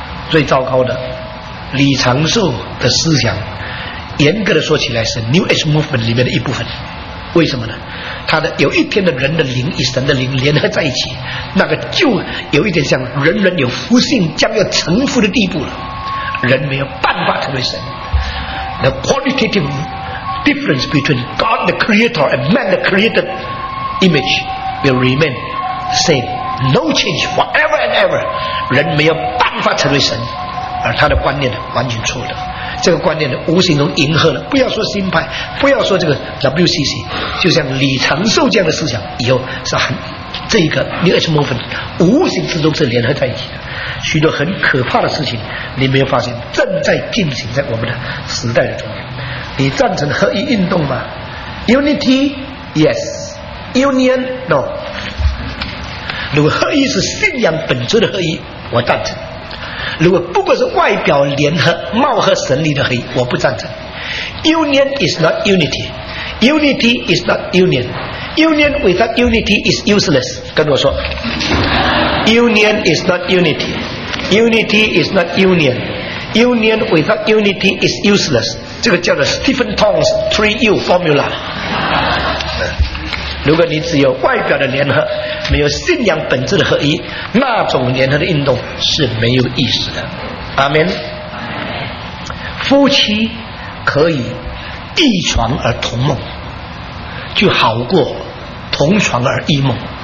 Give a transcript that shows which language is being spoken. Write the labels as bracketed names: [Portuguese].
[Chinese] 最糟糕的，李长寿的思想，严格的说起来是 New Age Movement 里面的一部分。为什么呢？他的有一天的人的灵与神的灵联合在一起，那个就有一点像人人有福性将要成福的地步了。人没有办法成为神。 [English] The qualitative difference between God the Creator and man the created image will remain the same, no change forever and ever. [Chinese] 人没有办法成为神，而他的观念呢完全错的。这个观念呢无形中迎合了，不要说新派，不要说这个 WCC， 就像李长寿这样的思想，以后是很这个 New Age Movement 无形之中是联合在一起的。许多很可怕的事情，你没有发现正在进行在我们的时代的中间。你赞成合一运动吗 ？ [English] Unity yes， Union no。 [Chinese] 如果合一是信仰本质的合一，我赞成。如果不过是外表联合、貌合神离的合一，我不赞成。 [English] Union is not unity, unity is not union, union without unity is useless。 [Chinese] 跟我说 [English] ，Union is not unity, unity is not union, union without unity is useless。 [Chinese] 这个叫做 Stephen Tong's 3U formula。如果你只有外表的联合，没有信仰本质的合一，那种联合的运动是没有意思的。阿们。夫妻可以一床而同梦，就好过同床而异梦。